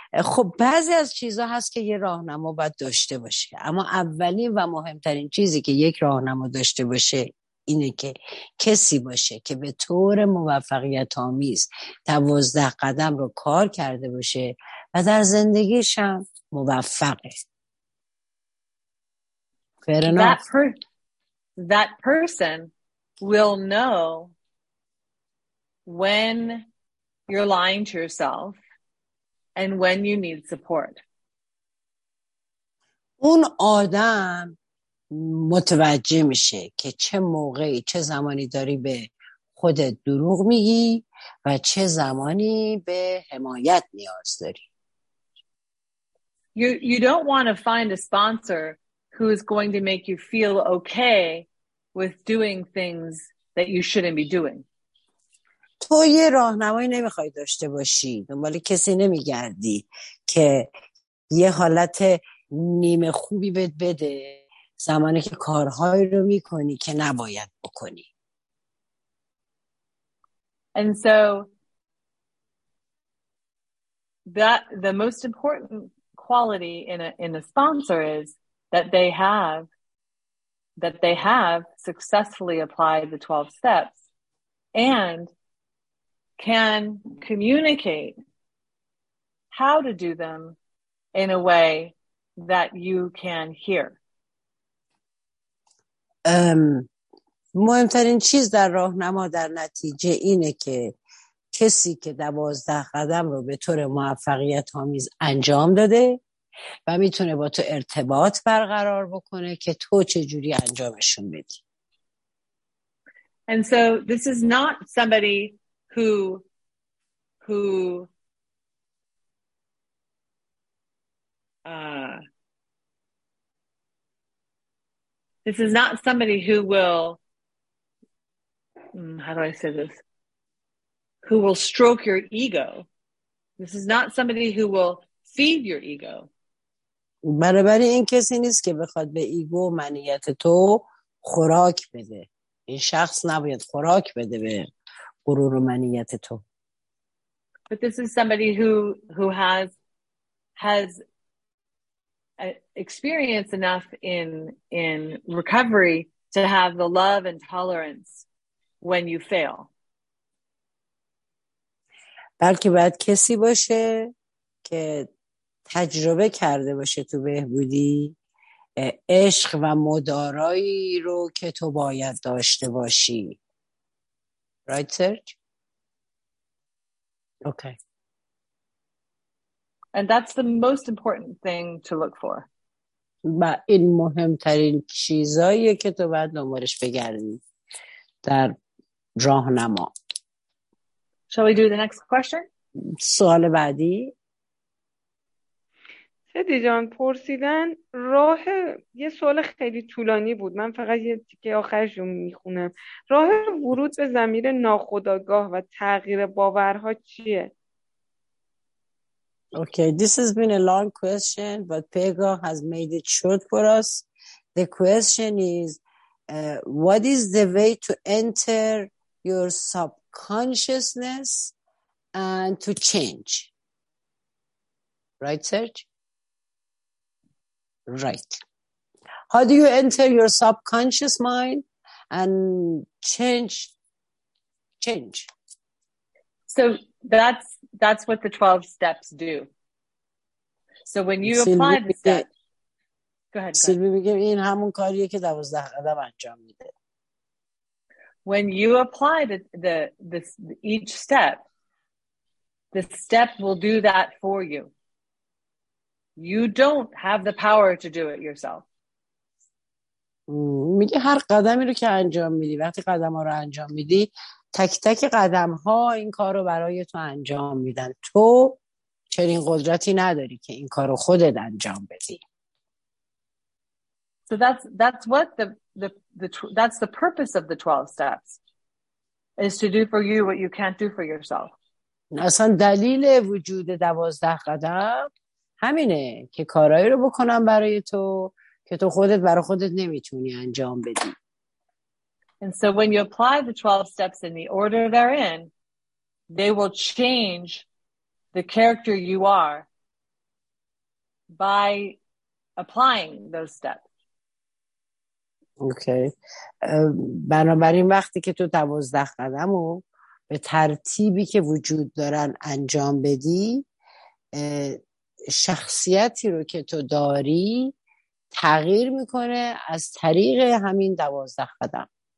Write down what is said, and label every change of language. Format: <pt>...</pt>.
<fa>خب بعضی از چیزها هست که یه راهنما باید داشته باشه، اما اولین و مهمترین چیزی که یک راهنما داشته باشه اینه که کسی باشه که به طور موفقیت آمیز 12 قدم رو کار کرده باشه و در زندگیش هم موفقه.</fa> <en>Fair enough. That person will know when you're lying to yourself and when you need support.</en> <fa>اون آدم متوجه میشه که چه موقعی چه زمانی داری به خودت دروغ میگی و چه زمانی به حمایت نیاز داری.</fa> <en>You don't want to find a sponsor who is going to make you feel okay with doing things that you shouldn't be doing.</en> <fa>تو یه راهنمایی نمیخوای داشته باشی، دنبال کسی نمیگردی که یه حالت نیمه خوبی بهت بده زمانی که کارهایی رو میکنی که نباید بکنی.</fa> <en>And so that the most important quality in a sponsor is that they have successfully applied the 12 steps and can communicate how to do them in a way that you can hear.</en> <fa>مهمترین چیز در راهنما در نتیجه اینه که کسی که 12 قدم رو به طور موفقیت آمیز انجام داده و میتونه با تو ارتباط برقرار بکنه که تو چجوری انجامشون بدی.</fa> <en>And so this is not somebody who will, how do I say this? Who will stroke your ego. This is not somebody who will feed your ego.</en> <fa>برابر این کسی نیست که بخواد به ایگو و منیت تو خوراک بده. این شخص نباید خوراک بده به غرور و منیت تو.</fa> <en>But this is somebody who has experience enough in recovery to have the love and tolerance when you fail.</en> <fa>بلکه باید کسی باشه که تجربه کرده باشه تو بهبودی عشق و مدارایی رو که تو باید داشته باشی.</fa> <en>Right, Serge? Okay. And that's the most important thing to look for.</en> <fa>و این مهمترین چیزاییه که تو باید دنبالش بگردی در راه نما.</fa> <en>Shall we do the next question?</en> <fa>سوال بعدی. سدی جان پرسیدن راه یه سوال خیلی طولانی بود. من فقط یه تیکه آخرش رو میخونم. راه ورود به ضمیر ناخودآگاه و تغییر باورها چیه؟</fa> <en>Okay, this has been a long question, but Pega has made it short for us. The question is, what is the way to enter your subconsciousness and to change? Right, Serge? Right. How do you enter your subconscious mind and change? So that's what the 12 steps do. So when you apply the steps,</en> <fa>این همون کاریه که 12 قدم انجام میده.</fa> <en>When you apply the each step, the step will do that for you. You don't have the power to do it yourself.</en> <fa>میگه هر قدمی رو که انجام میدی، وقتی قدم‌ها رو انجام میدی، تک تک قدم‌ها این کار رو برای تو انجام میدن. تو چنین قدرتی نداری که این کار رو خودت انجام بدی.</fa> <en>So that's the purpose of the 12 steps is to do for you what you can't do for yourself.</en> <fa>اصلا دلیل وجود 12 قدم همینه که کارهایی رو بکنم برای تو که تو خودت برای خودت نمیتونی انجام بدی.</fa> <en>And so when you apply the 12 steps in the order they're in, they will change the character you are by applying those steps. Okay.</en> <fa>بنابراین وقتی که تو 12 قدم رو به ترتیبی که وجود دارن انجام بدی، شخصیتی رو که تو داری تغییر میکنه از طریق همین 12 قدم.</fa>